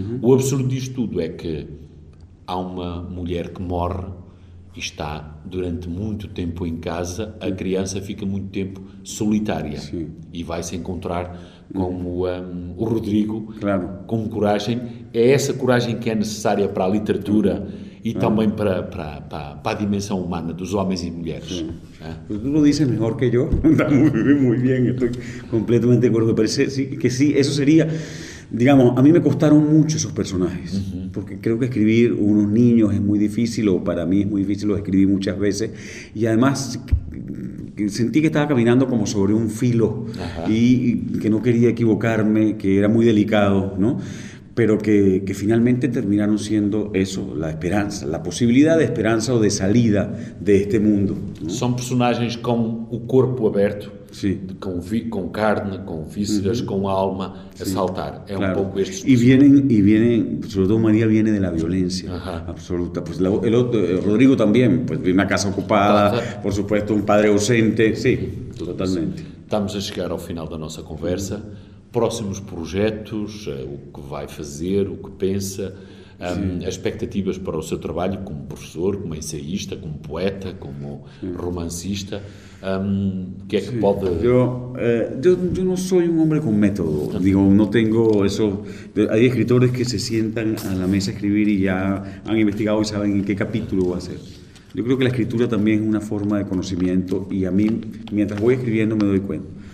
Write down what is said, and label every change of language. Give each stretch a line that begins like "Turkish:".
Portuguese: O absurdo disto tudo é que há uma mulher que morre e está durante muito tempo em casa, a criança fica muito tempo solitária e vai se encontrar como o Rodrigo, claro. com coragem. É essa coragem que é necessária para a literatura e também para a dimensão humana dos homens e mulheres.
Spanish: Tu lo dices mejor que yo. Está muy bien, estoy completamente de acuerdo. Parece que sí, eso sería... Digamos, a mí me costaron mucho esos personajes, porque creo que escribir unos niños es muy difícil, o para mí es muy difícil, los escribí muchas veces, y además sentí que estaba caminando como sobre un filo y que no quería equivocarme, que era muy delicado, ¿no? Pero que finalmente terminaron siendo eso, la esperanza, la posibilidad de esperanza o de salida de este mundo, ¿no? Son personajes con el cuerpo abierto. Sí. Con carne, con vísceras, con alma, a saltar. Es un poco esto. Y vienen, sobre todo María viene de la violencia absoluta. Pues el Rodrigo también, pues vive una casa ocupada, por supuesto, un padre ausente. Sí, totalmente.
Portuguese: Estamos a chegar ao final da nossa conversa. Próximos projetos, o que vai fazer, o que pensa, as expectativas para o seu trabalho como professor, como ensaísta, como poeta, como romancista.
Spanish: ¿Qué es que puede...? Yo no soy un hombre con método, digo, no tengo eso. Hay escritores que se sientan a la mesa a escribir y ya han investigado y saben en qué capítulo va a ser. Yo creo que la escritura también es una forma de conocimiento, y a mí, mientras voy escribiendo, me doy cuenta.